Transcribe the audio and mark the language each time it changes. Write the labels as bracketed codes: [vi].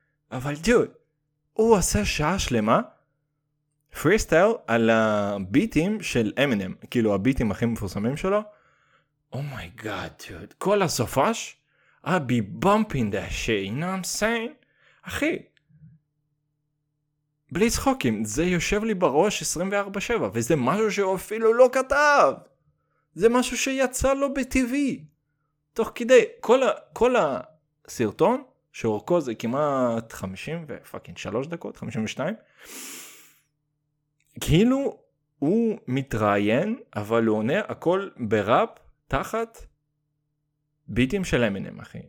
[he] אבל דוד, הוא עושה שעה שלמה פריסטייל על הביטים של אמינם, כאילו הביטים הכי מפורסמים שלו. [en] אומייגאד, דוד, [he] כל הסופש, [en] I'll be bumping that shit, you know what I'm saying? [he] אחי, בלי צחוקים, זה יושב לי בראש 24/7, וזה משהו שהוא אפילו לא כתב. זה משהו שיצא לו בטבעי. תוך כדי, כל הסרטון, שאורכו זה כמעט 53 דקות, 52, כאילו הוא מתראיין, אבל הוא עונה הכל בראפ, תחת ביטים של אמינם, אחי.